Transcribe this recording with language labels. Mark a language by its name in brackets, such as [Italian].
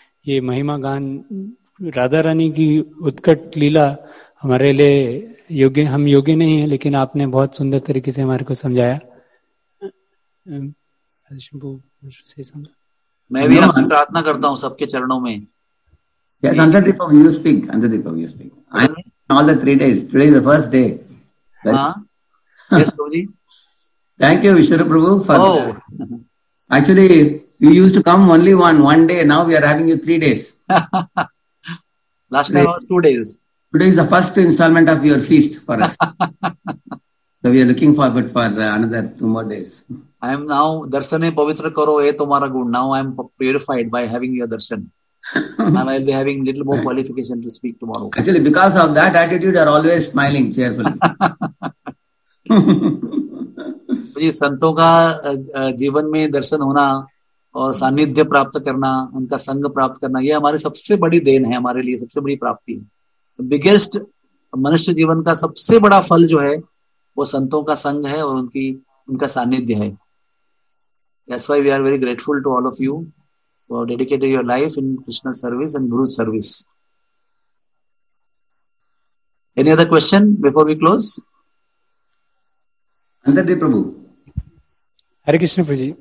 [Hindi] ये महिमा गान, राधा रानी की उत्कट लीला हमारे लिए योग्य, हम योग्य नहीं है, लेकिन आपने बहुत सुंदर तरीके से हमारे को समझाया। मैं भी प्रार्थना करता हूँ सबके चरणों में। [English] Yes, Andhra Deepam, you speak. All the 3 days. Today is the first day. Yes, Prabhuji. Thank you, Vishnu Prabhu. Actually, you used to come only one day. Now we are having you 3 days. Last time was 2 days. Today is the first installment of your feast for us. So we are looking forward for another 2 more days. I am now, [Hindi] darshane pavitra karo e tumhara gun. [English] Now I am purified by having your darshan. And I'll be having little more qualification to speak tomorrow. Actually, because of that attitude, you are always smiling cheerfully. [Hindi] Prabhu ji, संतों का जीवन में दर्शन होना और सानिध्य प्राप्त करना, उनका संग प्राप्त करना, यह हमारी सबसे बड़ी देन है, हमारे लिए सबसे बड़ी प्राप्ति है। बिगेस्ट मनुष्य जीवन का सबसे बड़ा फल जो है वो संतों का संग है और उनकी उनका सानिध्य है। [English] That's why we are very grateful to all of you. For dedicating your life in Krishna service and Guru service. Any other question before we close? Andhra Deep Prabhu. Hare Krishna Prabhuji.